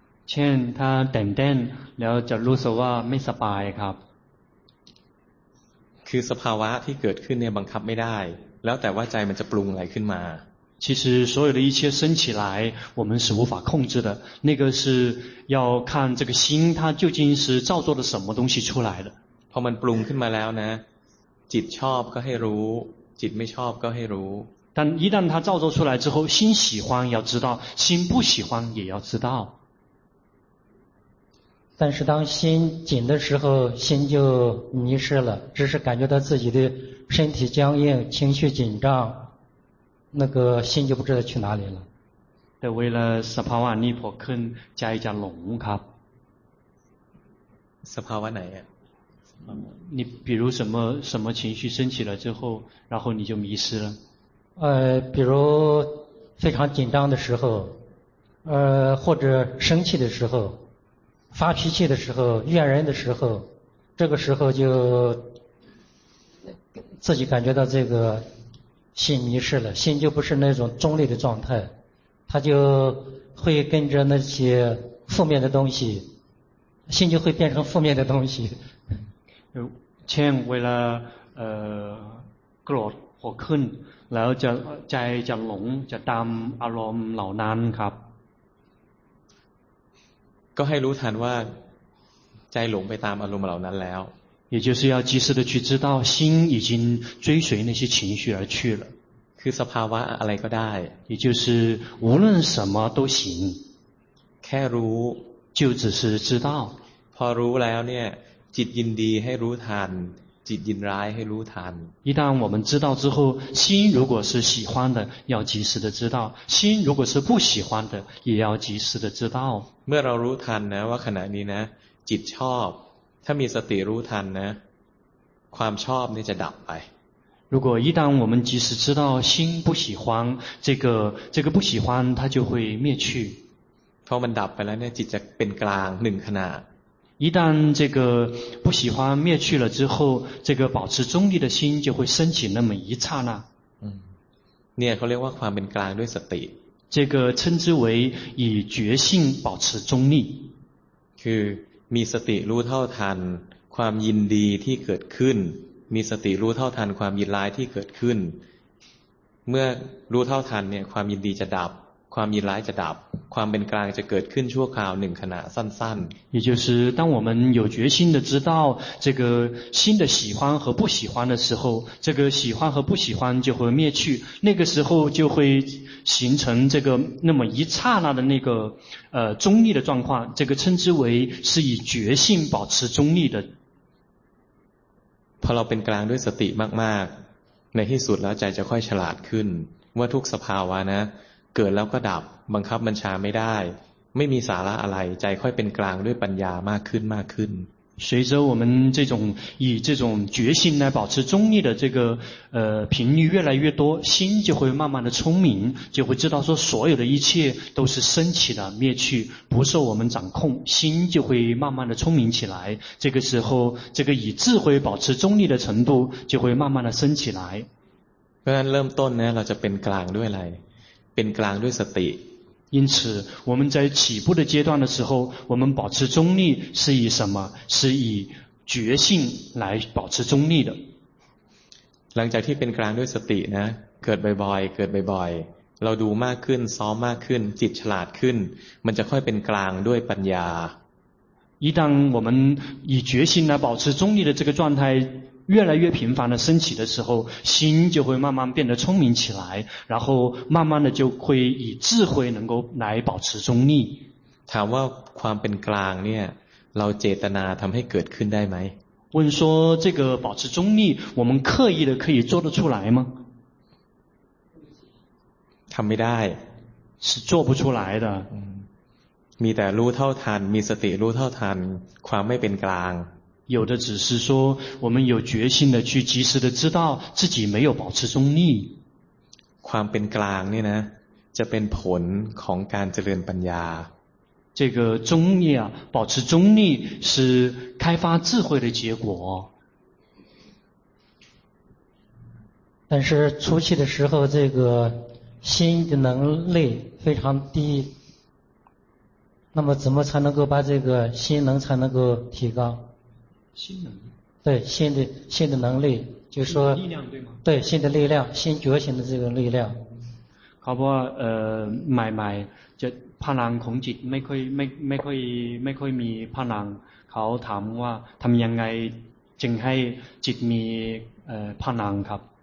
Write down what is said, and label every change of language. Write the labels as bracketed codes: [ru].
[th] เช่นถ้าแต่งๆแล้วจะรู้สึกว่าไม่สบายครับ คือสภาวะที่เกิดขึ้นเนี่ยบังคับไม่ได้แล้วแต่ว่าใจมันจะปรุงอะไรขึ้นมา [zh] 其实所有的一切升起来我们是无法控制的那个是要看这个心它究竟是造作的什么东西出来的 [th] พอมันปรุงขึ้นมาแล้วนะจิตชอบก็ให้รู้จิตไม่ชอบก็ให้รู้ [zh] 但一旦它造作出来之后心喜欢要知道心不喜欢也要知道但是当心紧的时候心就迷失了只是感觉到自己的身体僵硬情绪紧张那个心就不知道去哪里了 [th] แต่เวลาสภาวะนี้พอขึ้นใจจะหลงครับ สภาวะไหนอ่ะ [zh] 你比如什么情绪升起了之后然后你就迷失了比如非常紧张的时候或者生气的时候发脾气的时候怨人的时候这个时候就自己感觉到这个心迷失了心就不是那种中立的状态它就会跟着那些负面的东西心就会变成负面的东西前为了 [th] โกรธพอขึ้นแล้วจะใจจะหลงจะตามอารมณ์เหล่านั้นครับ ก็ให้รู้ทันว่าใจหลงไปตามอารมณ์เหล่านั้นแล้ว [zh] 也就是要及时的去知道心已经追随那些情绪而去了 [th] คือสภาวะอะไรก็ได้ [zh] 也就是无论什么都行 [th] แค่รู้ [zh] 就只是知道 [th] พอรู้แล้วเนี่ยจิตยินดีให้รู้ทันจิตยินร้ายให้รู้ทัน [zh] 一旦我们知道之后心如果是喜欢的要及时的知道心如果是不喜欢的也要及时的知道 [th] เมื่อเรารู้ทันนะว่าขณะนี้นะจิตชอบถ้ามีสติรู้ทันนะความชอบนี่จะดับไป [zh] 如果一旦我们及时知道心不喜欢这个不喜欢它就会灭去 [th] พอมันดับไปแล้วเนี่ยจิตจะเป็นกลางหนึ่งขณะ [zh] 一旦这个不喜欢灭去了之后这个保持中立的心就会升起那么一刹那 [th] เนี่ยเขาเรียกว่าความเป็นกลางด้วยสติ [zh] 这个称之为以觉性保持中立 [th] คือมีสติรู้เท่าทันความยินดีที่เกิดขึ้นมีสติรู้เท่าทันความยินร้ายที่เกิดขึ้นเมื่อรู้เท่าทันเนี่ยความยินดีจะดับ ความยินร้ายจะดับความเป็นกลางจะเกิดขึ้นชั่วคราวหนึ่งขณะสั้น [zh] ๆ也就是当我们有决心的知道这个心的喜欢和不喜欢的时候这个喜欢和不喜欢就会灭去那个时候就会形成这个那么一刹那的那个中立的状况这个称之为是以决心保持中立的 [th] พอเราเป็นกลางด้วยสติมากๆในที่สุดแล้วใจจะค่อยฉลาดขึ้นว่าทุกสภาวะนะเกิดแล้วก็ดับบังคับบัญชาไม่ได้ไม่มีสาระอะไรใจค่อยเป็นกลางด้วยปัญญามากขึ้นมากขึ้น [zh] 随着我们这种以这种决心来保持中立的这个频率越来越多心就会慢慢的聪明就会知道说所有的一切都是升起的灭去不受我们掌控心就会慢慢的聪明起来这个时候这个以智慧保持中立的程度就会慢慢的升起来 [th] เริ่มต้นเนี่ยเราจะเป็นกลางด้วยอะไรเป็นกลางด้วยสติ [zh] 因此我们在起步的阶段的时候我们保持中立是以什么是以觉性来保持中立的 [th] หลังจากที่เป็นกลางด้วยสตินะเกิดบ่อยๆเกิดบ่อยๆเราดูมากขึ้นซ้อมมากขึ้นจิตฉลาดขึ้นมันจะค่อยเป็นกลางด้วยปัญญา [zh] 一旦我们以决心来保持中立的这个状态越来越频繁的升起的时候心就会慢慢变得聪明起来然后慢慢的就会以智慧能够来保持中立 [th] ถามว่าความเป็นกลางเนี่ยเราเจตนาทำให้เกิดขึ้นได้ไหม [zh] 问说这个保持中立我们刻意的可以做得出来吗 [th] ทำไม่ได้ [zh] 是做不出来的 [th] มีแต่รู้เท่าทันมีสติรู้เท่าทันความไม่เป็นกลาง [zh] 有的只是说我们有决心的去及时的知道自己没有保持中立 [th] ความเป็นกลางเนี่ยนะจะเป็นผลของการเจริญปัญญา [zh] 这个中立啊保持中立是开发智慧的结果但是初期的时候这个心的能力非常低那么怎么才能够把这个心能才能够提高心能力对心的心的能力就是说力量对吗对心的力量心觉醒的这个力量好不好买就怕人恐惧没可以มี怕人เขาถามว่าทำยังไงจึงให้จิตมี怕人ครับ